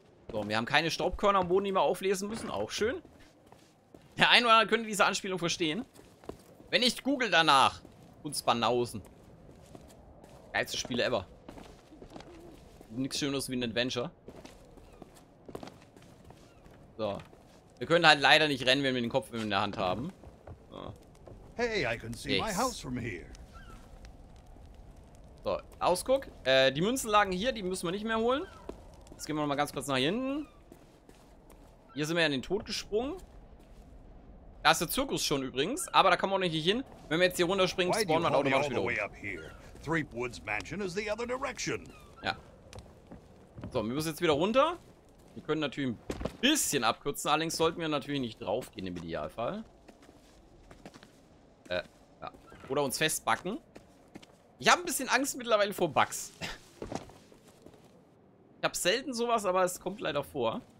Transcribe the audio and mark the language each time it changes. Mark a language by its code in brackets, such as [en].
[de] So, wir haben keine Staubkörner am Boden, die wir auflesen müssen. Auch schön. Der ein oder andere könnte diese Anspielung verstehen. Wenn nicht, google danach. Und Spanausen. Geilste Spiele ever. Nichts Schöneres wie ein Adventure. So. Wir können halt leider nicht rennen, wenn wir den Kopf in der Hand haben. So. [en] Hey, I can see my house from here. [de] So, Ausguck. Die Münzen lagen hier, die müssen wir nicht mehr holen. Jetzt gehen wir nochmal ganz kurz nach hinten. Hier sind wir in den Tod gesprungen. Da ist der Zirkus schon übrigens, aber da kommen wir auch nicht hin. Wenn wir jetzt hier runterspringen, spawnen wir automatisch wieder hoch. [en] Threepwood's Mansion is the other direction. [de] Ja. So, wir müssen jetzt wieder runter. Wir können natürlich ein bisschen abkürzen, allerdings sollten wir natürlich nicht drauf gehen im Idealfall. Ja. Oder uns festbacken. Ich habe ein bisschen Angst mittlerweile vor Bugs. Ich habe selten sowas, aber es kommt leider vor.